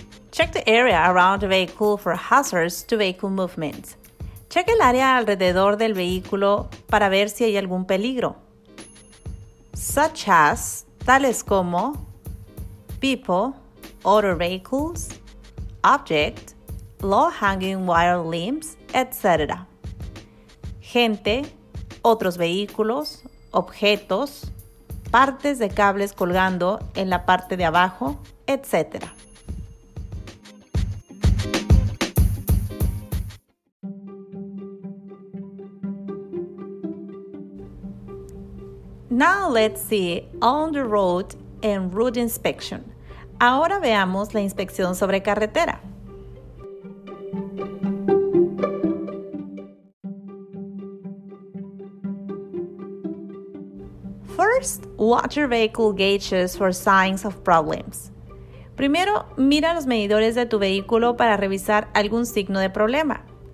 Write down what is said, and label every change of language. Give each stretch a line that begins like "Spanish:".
English: Check the area around the vehicle for hazards to vehicle movements.
Spanish: Check el área alrededor del vehículo para ver si hay algún peligro.
English: Such as,
Spanish: tales como,
English: people, other vehicles, object, low-hanging wire limbs, etc.
Spanish: Gente, otros vehículos, objetos, partes de cables colgando en la parte de abajo, etc.
English: Now let's see on the road and route inspection.
Spanish: Ahora veamos la inspección sobre carretera.
English: First, watch your vehicle gauges for signs of problems.
Spanish: Primero, mira los medidores de tu vehículo para revisar algún signo de problema.